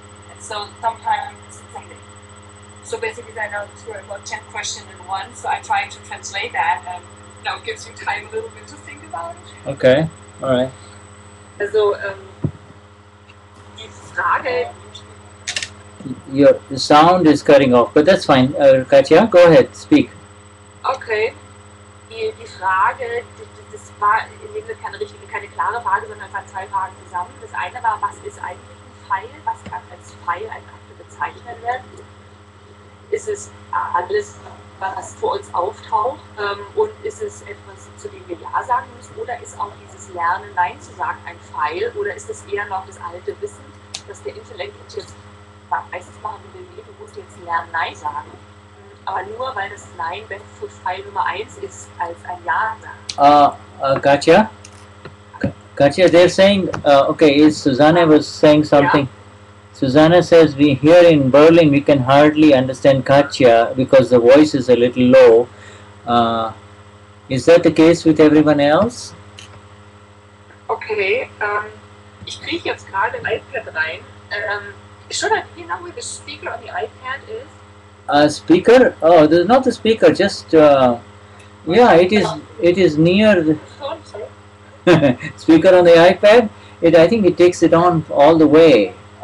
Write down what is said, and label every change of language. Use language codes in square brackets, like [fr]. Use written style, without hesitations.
[en] And so sometimes it's like so basically I know it's about 10 questions in one, so I try to translate that and now it gives you time a little bit to think about it. Okay. All right. [de] So die Frage. [en] Your the sound is cutting off, but that's fine. Katja, go ahead, speak. Okay. [de] Die Frage, das war in dem Sinne keine richtige, keine klare Frage, sondern es waren zwei Fragen zusammen. Das eine war, was ist eigentlich ein File? Was kann als File ein Akte bezeichnet werden? Ist es alles, was vor uns auftaucht? Und ist es etwas, zu dem wir Ja sagen müssen? Oder ist auch dieses Lernen, Nein zu sagen, ein File? Oder ist es eher noch das alte Wissen, dass der Intellekt jetzt meistens machen wir nie, du musst jetzt Lernen Nein sagen. Aber nur weil das Nein besser für File Nummer 1 ist als ein Ja sagen. [en] Katja? Katja, they're saying, okay, is Susanna was saying something. Yeah. Susanna says, we here in Berlin, we can hardly understand Katya because the voice is a little low. Is that the case with everyone else? [de] Okay, ich kriege jetzt gerade ein iPad rein. [en] Should I, do you know where the speaker on the iPad is? Speaker? Oh, there's not the speaker, just, yeah, it is near the speaker on the iPad. I think it takes it on all the way.